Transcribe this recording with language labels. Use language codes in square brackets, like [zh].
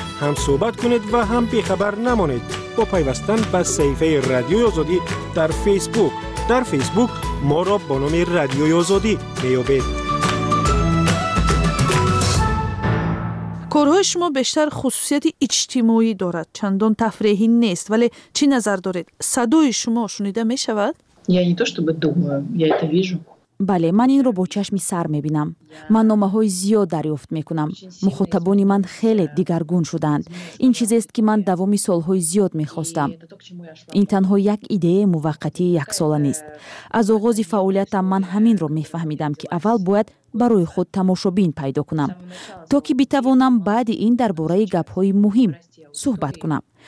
[fa] هم صحبت کنید و هم بیخبر نمانید با پیوستن به صفحه رادیوی آزادی در فیسبوک. در فیسبوک ما را با نام رادیوی آزادی می‌یابید. کارهای شما بیشتر خصوصیت اجتماعی دارد، چندان تفریحی نیست، ولی چی نظر دارید؟ صدای شما شنیده می شود؟ [ru] я не то чтобы думаю, я это вижу. [fa] بله، من این رو با چشم سر می‌بینم. من نامه‌های زیاد دریافت می‌کنم. مخاطبان من خیلی دیگرگون شدند. این چیزی است که من دوامی سال‌های زیاد می‌خواستم. این تنها یک ایده موقتی یک ساله نیست. از آغاز فعالیتم من همین رو می‌فهمیدم که اول باید برای خود تماشابین پیدا کنم تا که بتوانم بعد این درباره گپ‌های مهم صحبت کنم.